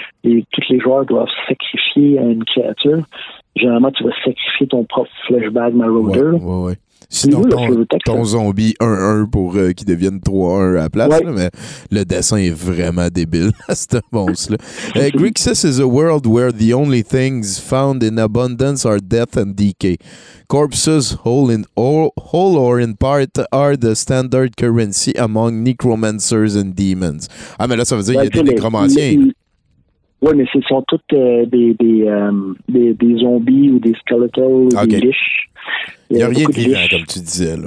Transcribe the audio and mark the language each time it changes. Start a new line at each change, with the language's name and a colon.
French: Et tous les joueurs doivent sacrifier une créature. Généralement, tu vas sacrifier ton propre Fleshbag Marauder. Ouais. Sinon, ton zombie 1-1 pour qu'il devienne 3-1 à la place. Ouais. Là, mais le dessin est vraiment débile à ce monstre-là.
English: Grixis is a world where the only things found in abundance are death and decay. Corpses, whole or in part, are the standard currency among necromancers and demons.
French: Ah, mais là, ça veut dire qu'il y a des nécromanciens. Oui, mais ce sont tous des zombies ou des skeletons ou des liches. Il n'y a rien de vivant, liches, comme tu disais.